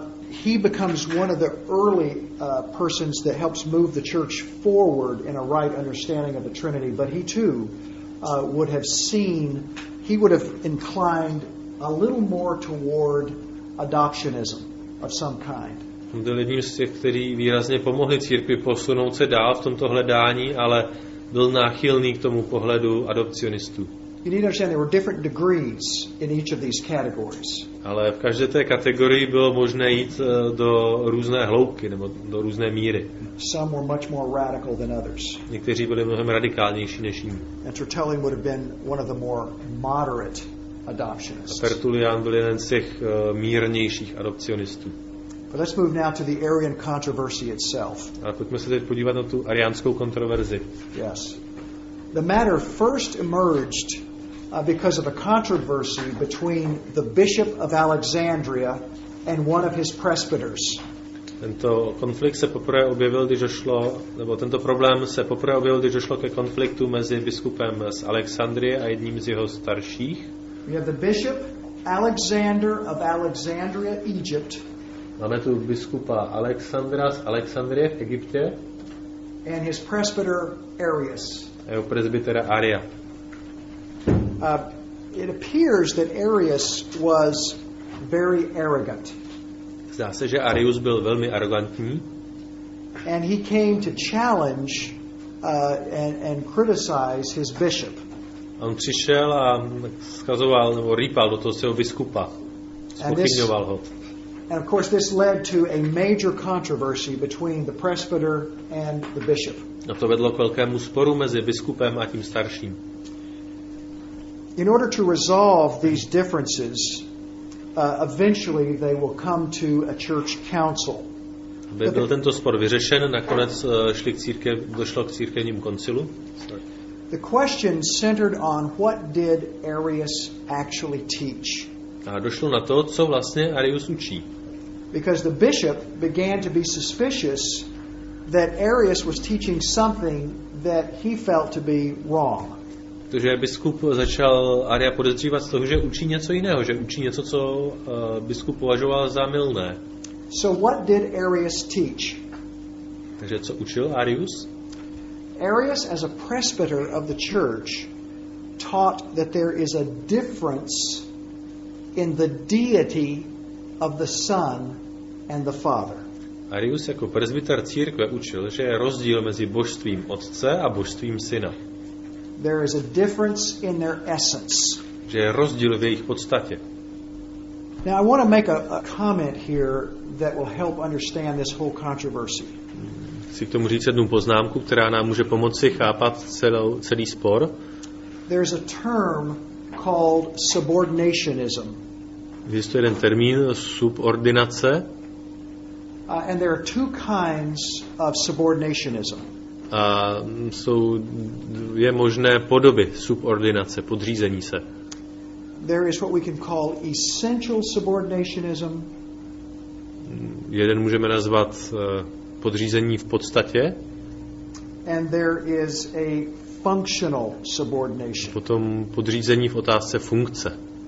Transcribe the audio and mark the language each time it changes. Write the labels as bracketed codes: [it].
[en] He becomes one of the early persons that helps move the church forward in a right understanding of the Trinity, but he too would have seen, he would have inclined a little more toward adoptionism of some kind. [cs] Byl jedním z těch, kteří výrazně pomohli církvi posunout se dál v tomto hledání, ale byl náchylný k tomu pohledu adopcionistů. [en] You need to understand there were different degrees in each of these categories. [cs] Ale v každé té kategorii bylo možné jít do různé hloubky nebo do různé míry. [en] Some were much more radical than others. [cs] Někteří byli mnohem radikálnější než jiní. [en] And Tertullian would have been one of the more moderate adoptionists. [cs] Tertullian byl jeden z těch mírnějších adopcionistů. [en] But let's move now to the Arian controversy itself. [cs] A pojďme se teď podívat na tu ariánskou kontroverzi. [en] Yes. The matter first emerged because of a controversy between the bishop of Alexandria and one of his presbyters. [cs] Tento konflikt se poprvé objevil, když došlo, nebo tento problém se poprvé objevil, když došlo ke konfliktu mezi biskupem z Alexandrie a jedním z jeho starších. [en] We have the bishop Alexander of Alexandria, Egypt. [cs] Máme tu biskupa Alexandra z Alexandrie v Egyptě. [en] And his presbyter Arius. [cs] A jeho presbytera Aria. [en] It appears that Arius was very arrogant. [cs] Zdá se, že Arius byl velmi arrogantní. [en] And he came to challenge and criticize his bishop. [cs] On přišel a skazoval nebo rýpal do toho svého biskupa. Spochybňoval ho. [en] And of course this led to a major controversy between the presbyter and the bishop. [cs] A to vedlo k velkému sporu mezi biskupem a tím starším. [en] In order to resolve these differences, eventually they will come to a church council. [cs] Aby byl tento spor vyřešen, nakonec šli k církev, došlo k církevním koncilu. [en] The question centered on what did Arius actually teach. [cs] A došlo na to, co vlastně Arius učí. [en] Because the bishop began to be suspicious that Arius was teaching something that he felt to be wrong. [cs] Takže biskup začal Aria podezřívat z toho, že učí něco jiného, že učí něco, co biskup považoval za mylné. [en] So what did Arius teach? [cs] Takže co učil Arius? [en] Arius as a presbyter of the church taught that there is a difference in the deity of the Son and the Father. [cs] Arius jako presbyter církve učil, že je rozdíl mezi božstvím Otce a božstvím Syna. [en] There is a difference in their essence. [cs] Že je rozdíl v jejich podstatě. [en] Now I want to make a comment here that will help understand this whole controversy. [cs] Chci k tomu říct jednu poznámku, která nám může pomoci chápat celý spor. [en] There is a term called subordinationism. [cs] Existuje jeden termín subordinace. [en] And there are two kinds of subordinationism. [cs] A jsou dvě možné podoby subordinace, podřízení se. [en] There is what we can call essential subordinationism. [cs] Jeden můžeme nazvat podřízení v podstatě. [en] And there is a functional subordination. [cs] Potom podřízení v otázce funkce.